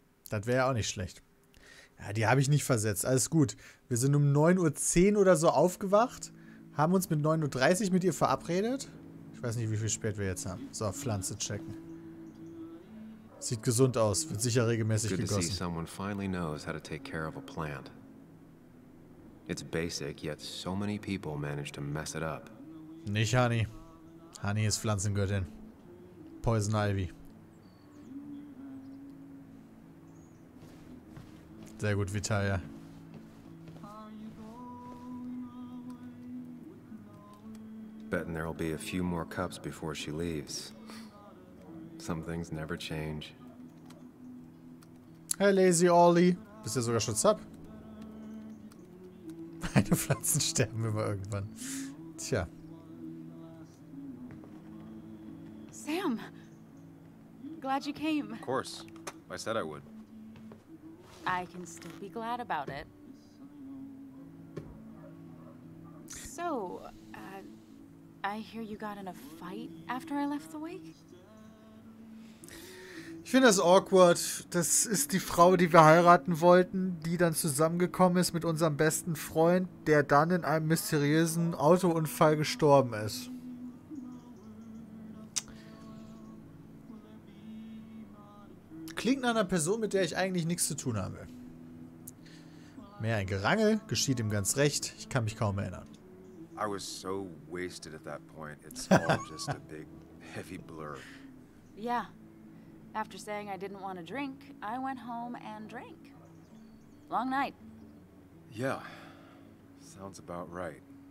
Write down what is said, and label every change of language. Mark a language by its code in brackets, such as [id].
[de] Das wäre ja auch nicht schlecht. Ja, die habe ich nicht versetzt. Alles gut. Wir sind um 9.10 Uhr oder so aufgewacht. Haben uns mit 9.30 Uhr mit ihr verabredet. Ich weiß nicht, wie viel spät wir jetzt haben. So, Pflanze checken. Sieht gesund aus, wird sicher regelmäßig gegossen. [en] Good to see someone finally knows how to take care of a plant. It's basic, yet so many people manage to mess it up. [de] Nicht Honey. Honey ist Pflanzengöttin. Poison Ivy. Sehr gut, Vitalia. [en] Betting there'll be a few more cups before she leaves. Some things never change. [de] Hey Lazy Ollie, bist du sogar schon zapp? Meine Pflanzen sterben immer irgendwann. Tja. [en] Sam, glad you came. Of course, I said I would. I can still be glad about it. So, I hear you got in a fight after I left the wake? [de] Ich finde das awkward. Das ist die Frau, die wir heiraten wollten, die dann zusammengekommen ist mit unserem besten Freund, der dann in einem mysteriösen Autounfall gestorben ist. Klingt nach einer Person, mit der ich eigentlich nichts zu tun habe. Mehr ein Gerangel, geschieht ihm ganz recht. Ich kann mich kaum erinnern. [en] I was so wasted at that point. It's all just a big heavy blur. Yeah. After saying I didn't want to drink, I went home and drank. Long night. Yeah. Sounds about right.